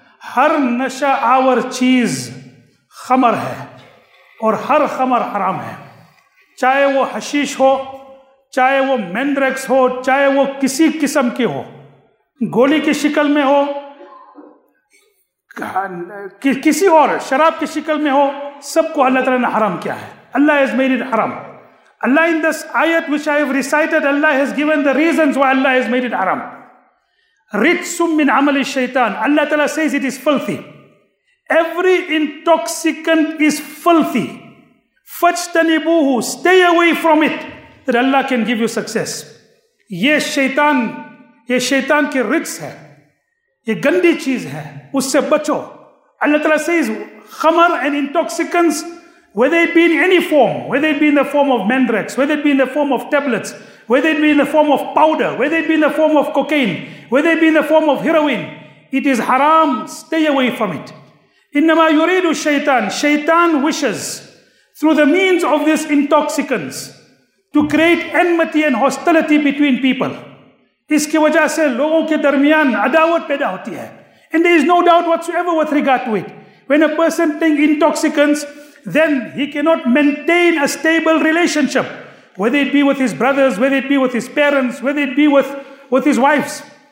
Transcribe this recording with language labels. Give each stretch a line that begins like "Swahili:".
Urdu: ہر نشہ آور چیز خمر ہے اور ہر خمر حرام ہے، چاہے وہ حشیش ہو، چاہے وہ مینڈریکس ہو، چاہے وہ کسی قسم کی ہو، گولی کی شکل میں ہو، کسی اور شراب کی شکل میں ہو، سب کو اللہ تعالیٰ نے حرام کیا ہے.
English: Allah has made it haram. Allah in this ayat which I have recited, Allah has given the reasons why Allah has made it haram.
Arabic: رِجْسٌ مِّنْ عَمَلِ الشَّيْطَانِ.
English: Allah Ta'ala says it is filthy. Every intoxicant is filthy.
Arabic: فَجْتَنِبُوهُ.
English: Stay away from it, that Allah can give you success.
Urdu: یہ شیطان کی رجس ہے، یہ گندی چیز ہے، اس سے بچو.
English: Allah Ta'ala says khamr and intoxicants, whether it be in any form, whether it be in the form of mandrakes, whether it be in the form of tablets, whether it be in the form of powder, whether it be in the form of cocaine, whether it be in the form of heroin, it is haram. Stay away from it.
Arabic: إِنَّمَا يُرِيدُ الشَّيْطَانِ.
English: Shaitan wishes through the means of these intoxicants to create enmity and hostility between people.
Urdu: اس کی وجہ سے لوگوں کے درمیان عداوت پیدا ہوتی ہے.
English: And there is no doubt whatsoever with regard to it. When a person takes intoxicants, then he cannot maintain a stable relationship, whether it be with his brothers, whether it be with his parents, whether it be with his wives.